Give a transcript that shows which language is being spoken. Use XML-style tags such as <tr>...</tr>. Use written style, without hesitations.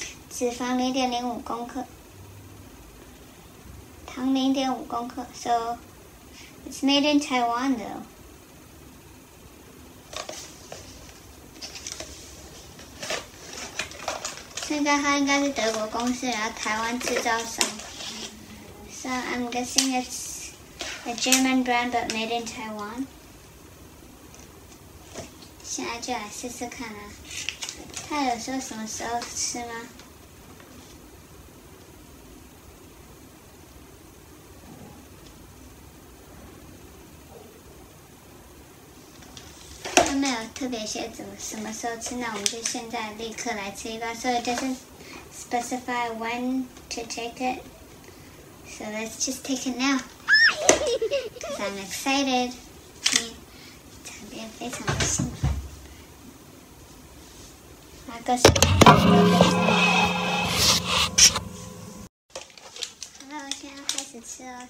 <zh>脂肪0.05公克，糖0.5公克。</zh> <en>So it's made in Taiwan though.</en> <zh>现在它应该是德国公司，然后台湾制造商。</zh> <en>So I'm guessing it's a German brand but made in Taiwan.</en> <zh>现在就来试试看啊。它有说什么时候吃吗？没有特别写什么时候吃，那我们就现在立刻来吃一包。</zh> <en>So it doesn't specify when to take it. So let's just take it now. Because I'm excited.</en> <zh>场面非常的兴奋。拿个手。好了，我现在开始吃了。</zh>